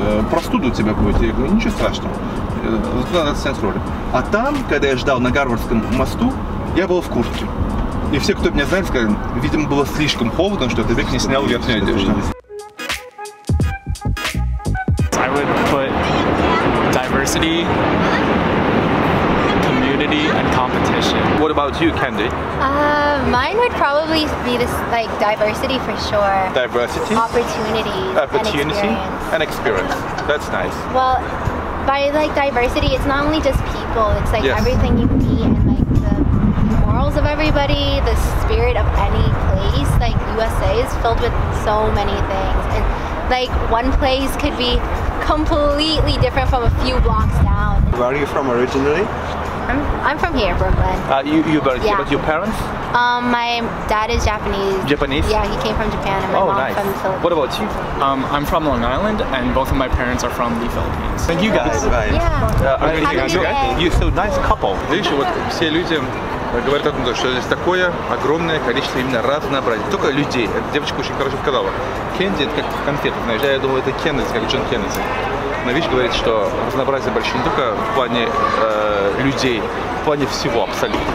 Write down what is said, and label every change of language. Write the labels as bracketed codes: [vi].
[ru] Простуда у тебя будет. Я говорю, ничего страшного, тут надо снять ролик. А там, когда я ждал на Гарвардском мосту, я был в куртке. И все, кто меня знает, сказали, видимо, было слишком холодно, что ты век не снял верхнюю одежду. [en] I would put diversity, community and competition. What about you, Candy? Mine would probably be this, like, diversity for sure. Diversity? Opportunity and experience. That's nice. Well, by, like, diversity, it's not only just people. It's, like, yes. Everything you meet and, like, the morals of everybody, the spirit of any place. Like, USA is filled with so many things. And, like, one place could be completely different from a few blocks down. Where are you from originally? I'm from here, Brooklyn. You're born here, yeah. But your parents? My dad is Japanese. Japanese? Yeah, he came from Japan, and my mom's nice. From the Philippines. What about you? I'm from Long Island, and both of my parents are from the Philippines. And you guys? Yeah. Right. Yeah. Happy New Year. You're so nice couple. [ru] Видишь, вот все люди говорят о том, что здесь такое огромное количество именно разнообразия. Только людей. Эта девочка очень хорошо сказала. Кенди — это как конфета, знаешь. Я думал, это Кеннеди, как Джон Кеннеди. Но видишь, говорит, что разнообразие большое не только в плане людей, в плане всего абсолютно.